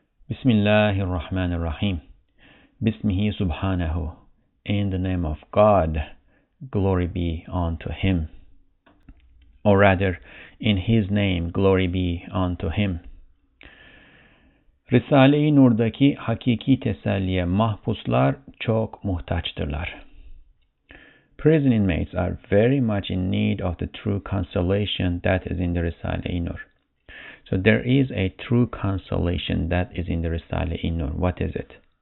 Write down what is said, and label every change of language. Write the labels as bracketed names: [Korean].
[Arabic] Bismillah ar-Rahman ar-Rahim. Bismihi subhanahu. [English] In the name of God, glory be unto him. Or rather, in his name, glory be unto him. [Turkish] Risale-i Nur'daki hakiki teselliye mahpuslar çok muhtaçtırlar. [English] Prison inmates are very much in need of the true consolation that is in the Risale-i Nur. So there is a true consolation that is in the Risale-i Nur. What is it?